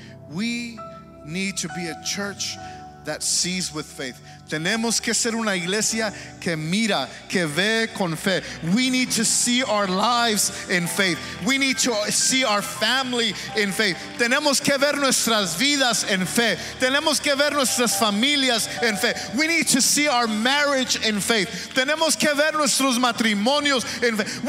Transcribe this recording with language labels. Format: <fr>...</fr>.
<en>We need to be a church that sees with faith.</en> <es>Tenemos que ser una iglesia que mira, que ve con fe.</es> <en>We need to see our lives in faith. We need to see our family in faith.</en> <es>Tenemos que ver nuestras vidas en fe. Tenemos que ver nuestras familias en fe.</es> <en>We need to see our marriage in faith.</en> <es>Tenemos que ver nuestros matrimonios en fe.</es>